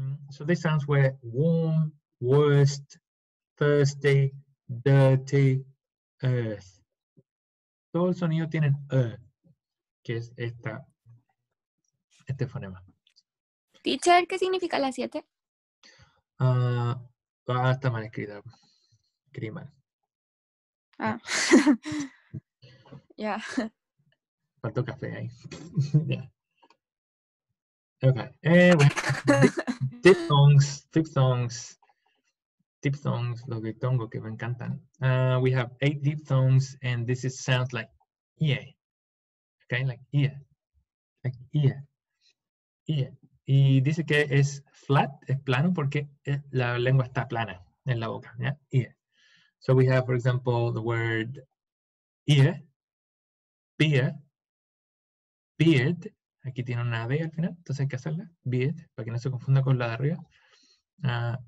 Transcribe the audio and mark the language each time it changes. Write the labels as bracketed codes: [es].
[en] So these sounds were warm, worst, thirsty, dirty, earth. [es] Todo el sonido tiene que es esta, este fonema. Teacher, ¿qué significa la 7? Está mal escrita. Escribí mal. Ah. Ya. Faltó café ahí. Ya. [en] Yeah. Okay, [es] bueno, diphthongs, los diptongos que me encantan. [en] We have 8 diphthongs, and this is sounds like ie, okay, like ie. [es] Y dice que es flat, es plano, porque la lengua está plana en la boca, ¿ya? Ie. [en] So we have, for example, the word ie, beer, beard. [es] Aquí tiene una D al final, entonces hay que hacerla. Beard, para que no se confunda con la de arriba.